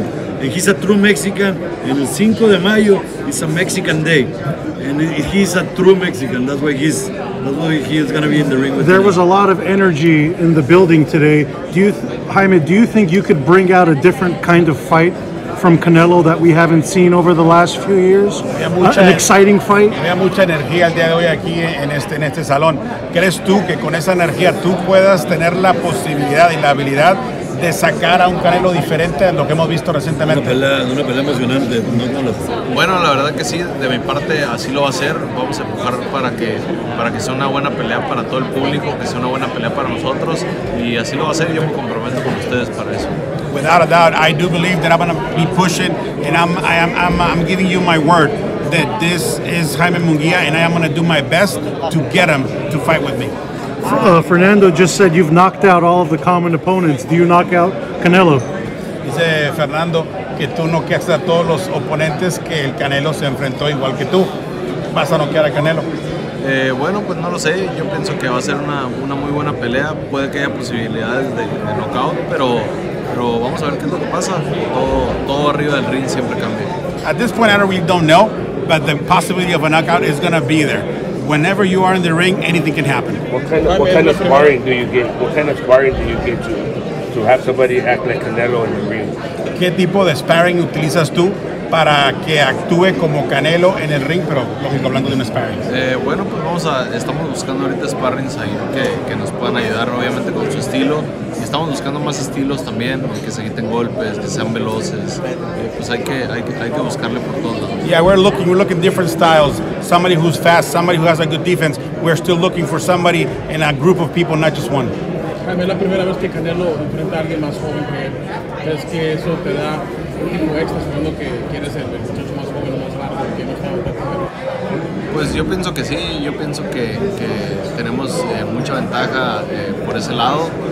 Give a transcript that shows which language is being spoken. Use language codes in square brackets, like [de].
[en] And he's a true Mexican, and el Cinco de Mayo is a Mexican day. And he's a true Mexican, that's why he's gonna be in the ring with There was a lot of energy in the building today. Jaime, do you think you could bring out a different kind of fight from Canelo that we haven't seen over the last few years? An exciting fight? [es] Había mucha energía el día de hoy aquí en este salón. ¿Crees tú que con esa energía tú puedas tener la posibilidad y la habilidad de sacar a un Canelo diferente a lo que hemos visto recentemente. Una pelea emocionante. Bueno, la verdad que sí, de mi parte así lo va a ser. Vamos a empujar para que sea una buena pelea para todo el público, que sea una buena pelea para nosotros, y así lo va a ser. Yo me comprometo con ustedes para eso. [en] Without a doubt, I do believe that I'm going to be pushing, and I'm giving you my word that this is Jaime Munguia, and I am going to do my best to get him to fight with me. Fernando just said you've knocked out all of the common opponents. Do you knock out Canelo? [es] Dice Fernando que tú noqueas a todos los oponentes que el Canelo se enfrentó igual que tú. ¿Vas a noquear a Canelo? Bueno, pues no lo sé. Yo pienso que va a ser una muy buena pelea. Puede que haya posibilidades de knockout, pero vamos a ver qué es lo que pasa. Todo arriba del ring siempre cambia. [en] At this point, I don't really don't know, but the possibility of a knockout is going to be there. Whenever you are in the ring, anything can happen. What kind of sparring do you get? What kind of sparring do you get to have somebody act like Canelo in the ring? [es] ¿Qué tipo de sparring utilizas tú para que actúe como Canelo en el ring? Pero lógico, hablando de un sparring. Bueno, pues estamos buscando ahorita sparrings ahí que nos puedan ayudar, obviamente, con su estilo. Y estamos buscando más estilos también, que se quiten golpes, que sean veloces. Pues hay que buscarle por todo. [en] Yeah, we're looking different styles. Somebody who's fast, somebody who has a good defense. We're still looking for somebody in a group of people, not just one. [es] Jaime, la primera vez que Canelo enfrenta a alguien más joven que él. ¿Crees que eso te da un tipo extra, sabiendo que quieres el muchacho más joven o más rápido que no está en el primero? Pues yo pienso que sí, yo pienso que tenemos mucha ventaja por ese lado.